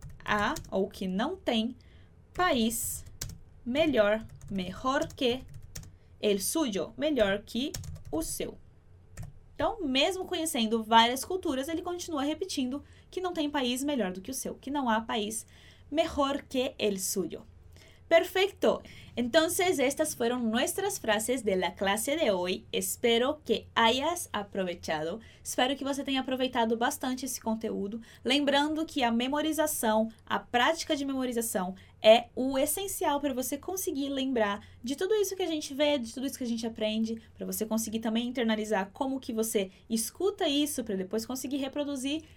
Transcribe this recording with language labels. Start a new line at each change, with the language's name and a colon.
Portuguese: há ou que não tem país melhor,
Spanish: mejor que el suyo,
Portuguese: melhor que o seu. Então, mesmo conhecendo várias culturas, ele continua repetindo que não tem país melhor do que o seu, que não há país
Spanish: mejor que el suyo. Perfecto. Entonces, estas fueron nuestras frases de la clase de hoy. Espero que hayas aprovechado.
Portuguese: Espero que você tenha aproveitado bastante esse conteúdo. Lembrando que a memorização, a prática de memorização, é o essencial para você conseguir lembrar de tudo isso que a gente vê, de tudo isso que a gente aprende, para você conseguir também internalizar como que você escuta isso, para depois conseguir reproduzir.